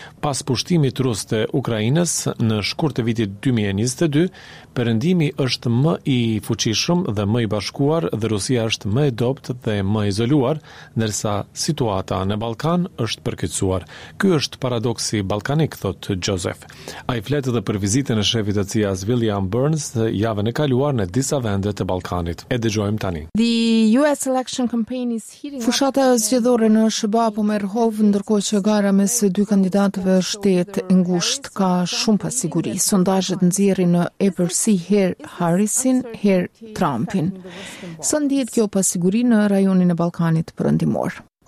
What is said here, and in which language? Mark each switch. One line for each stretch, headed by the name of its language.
Albanian: Pas pushtimit rus të Ukrainës në shkurt të vitit 2022, Perëndimi është më i fuqishëm dhe më i bashkuar dhe Rusia është më e dobët dhe më izoluar, ndërsa situata në Ballkan është përkeqësuar. Ky është paradoksi ballkanik, thot Joseph. Ai flet edhe për vizitën e shefit të CIA-s William Burns javën e kaluar në disa vende të Ballkanit. E dëgjojmë tani.
English: The US election campaign is heating up.
Albanian: Fushata zgjedhore në SBA po merr hov, ndërkohë që gara mes dy kandidatëve është e ngushtë, ka shumë pasiguri. Sondazhet nxjerrin në Ever si herë Harrisin, herë Trumpin. Së ndihet kjo pasiguri në rajonin e Ballkanit Perëndimor.